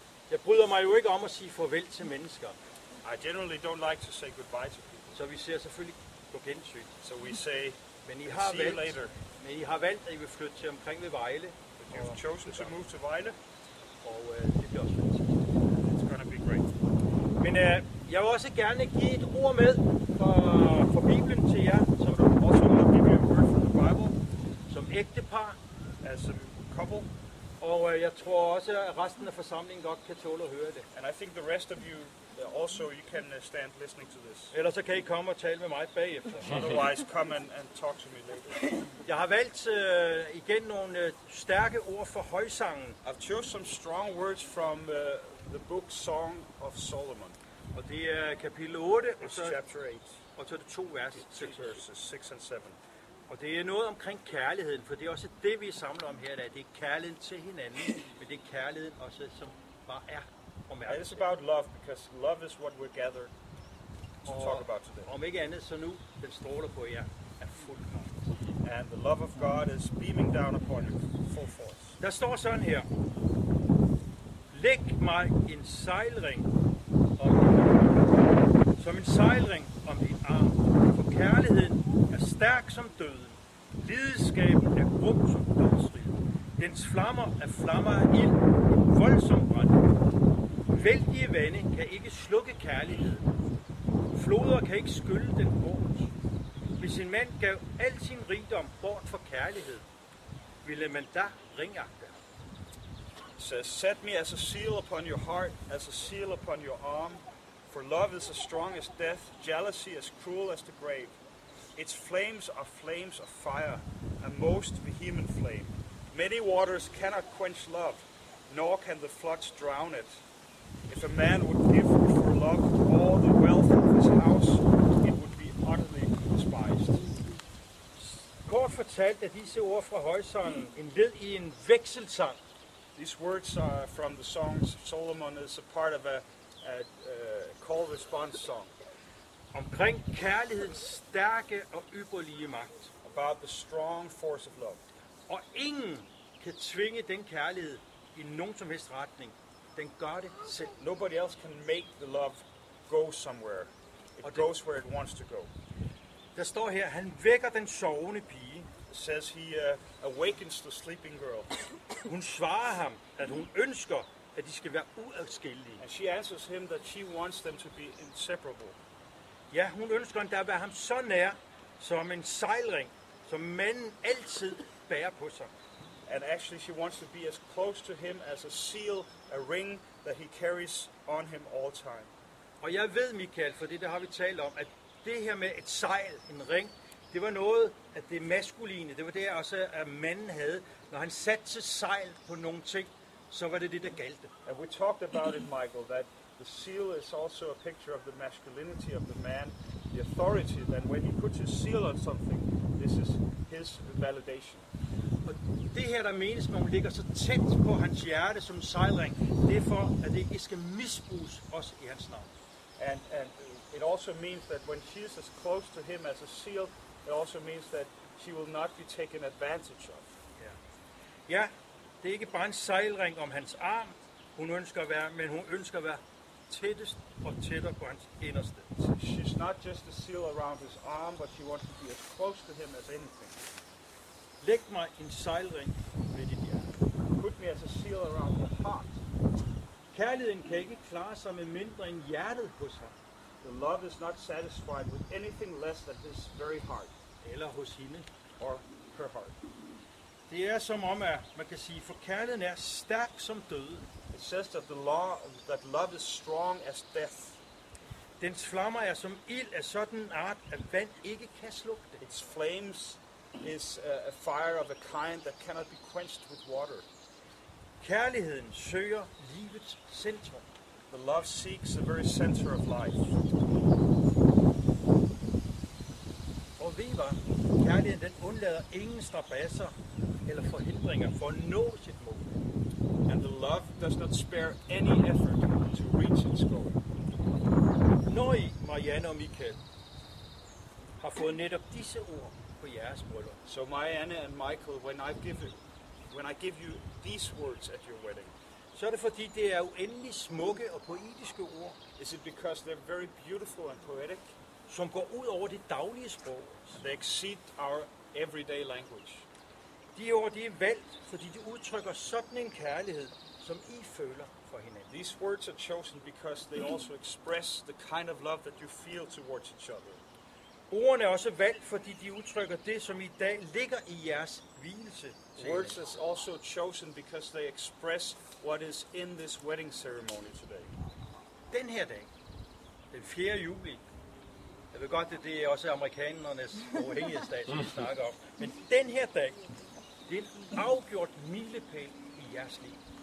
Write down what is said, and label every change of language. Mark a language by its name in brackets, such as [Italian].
[Danish] Jeg bryder mig jo ikke om at sige farvel til mennesker. [English] I generally don't like to say goodbye to people. [Danish] Så vi ser selvfølgelig på gensyn. [English] So we say, [Danish] men I har [English] see [Danish] valgt, [English] you later. [Danish] Men I har valgt, at I vil flytte til omkring ved Vejle. [English] But you've chosen to move to Vejle. [Danish] Og det bliver også fantastisk. [English] It's gonna be great. [Danish] Men jeg vil også gerne give et ord med for Bibelen til jer. [English] So I also want to give you a word from the Bible. [Danish] Som ægtepar. [English] As a couple. [Danish] Og jeg tror også, at resten af forsamlingen godt kan tåle at høre det. [English] And I think the rest of you also you can stand listening to this. [Danish] Eller så kan I komme og tale med mig bagefter. [English] Otherwise, come and talk to me later. [Danish] Jeg har valgt igen nogle stærke ord for højsangen. [English] I've chosen some strong words from the book Song of Solomon. [Danish] Og det er kapitel 8. [English] It's chapter 8. [Danish] Og så er det to vers. [English] Verses 6 and 7. [Danish] Og det er noget omkring kærligheden, for det er også det, vi samler om her i dag. Det er kærligheden til hinanden, men det er kærligheden også, som bare er og mærker. [English] It's about love, because love is what we're gathered to talk about today. [Danish] Om ikke andet, så nu, den stråler på jer af fuld kraft. [English] And the love of God is beaming down upon you, full force. [Danish] Der står sådan her. Læg mig en sejlring om som en sejlring om din arm. For kærligheden er stærk som døden. Lidenskaben er grum som dødsrig. Dens flammer er flammer af ild, voldsom brand. Vældige vande kan ikke slukke kærligheden. Floder kan ikke skylle den bort. Hvis en mand gav al sin rigdom bort for kærlighed, ville man da ringagte ham. [English] So set me as a seal upon your heart, as a seal upon your arm. For love is as strong as death, jealousy as cruel as the grave. Its flames are flames of fire, a most vehement flame. Many waters cannot quench love, nor can the floods drown it. If a man would give for love all the wealth of his house, it would be utterly despised. [Danish] Kort fortalt er disse ord fra højsangen en led i en vekselsang. [English] These words are from the songs of Solomon is a part of a call-response song. [Danish] Omkring kærlighedens stærke og ypperlige magt. [English] About the strong force of love. [Danish] Og ingen kan tvinge den kærlighed i nogen som helst retning. Den gør det selv. [English] Nobody else can make the love go somewhere. It goes where it wants to go. [Danish] Der står her, han vækker den sovende pige. [English] says he awakens the sleeping girl. [Danish] Hun svarer ham, at hun ønsker, at de skal være uadskillelige. [English] And she answers him that she wants them to be inseparable. [Danish] Ja, hun ønsker endda at være ham så nær, som en sejlring, som manden altid bærer på sig. [English] And actually she wants to be as close to him as a seal, a ring that he carries on him all time. [Danish] Og jeg ved, Michael, for det har vi talt om, at det her med et sejl, en ring, det var noget af det maskuline. Det var det, også at manden havde. Når han satte sejl på nogle ting, så var det det, der galte. [English] And we talked about it, Michael, that the seal is also a picture of the masculinity of the man, the authority, that when he puts his seal on something, this is his validation. [Danish] Og det her, der menes med, at hun ligger så tæt på hans hjerte som sejlring, det er for, at det ikke skal misbruges også i hans navn. [English] And it also means that when she is as close to him as a seal, it also means that she will not be taken advantage of. Yeah. [Danish] Ja, det er ikke bare en sejlring om hans arm, hun ønsker at være, men hun ønsker at være tættest og tættere på hans inderste. [English] She's not just a seal around his arm, but she wants to be as close to him as anything. [Danish] Læg mig en sejlring ved dit hjerte. [English] Put me as a seal around your heart. [Danish] Kærligheden kan ikke klare sig med mindre end hjertet hos ham. [English] The love is not satisfied with anything less than his very heart. [Danish] Eller hos hende. [English] Or her heart. [Danish] Det er som om, at man kan sige, for kærligheden er stærk som døden. [English] It says that the law, that love is strong as death. [Danish] Dens flammer er som ild af sådan en art, at vand ikke kan slukke det. [English] Its flames is a fire of a kind that cannot be quenched with water. [Danish] Kærligheden søger livets centrum. [English] The love seeks the very center of life. [Danish] Og ved I hvad? Kærligheden den undlader ingen strabasser eller forhindringer for at nå sit mål. [English] And the love does not spare any effort to reach its goal. [Danish] Når I, Marianne og Michael, har fået netop disse ord, [English] so Marianne and Michael, when I give you these words at your wedding, [Danish] så er det fordi det er uendelig smukke og poetiske ord. [English] Is it because they're very beautiful and poetic, [Danish] som går ud over det daglige sprog? [English] They exceed our everyday language. [Danish] De ord, de er valgt, fordi de udtrykker sådan en kærlighed, som I føler for hinanden. [English] These words are chosen because they also express the kind of love that you feel towards each other. [Danish] Ordene er også valgt, fordi de udtrykker det, som i dag ligger i jeres vielse. [English] Words is also chosen because they express what is in this wedding ceremony today. [Danish] Den her dag, den 4. juli. Jeg ved godt, at det er også amerikanernes uafhængighedsdag, som vi snakker om. Men den her dag, det er en afgjort milepæl i jeres liv.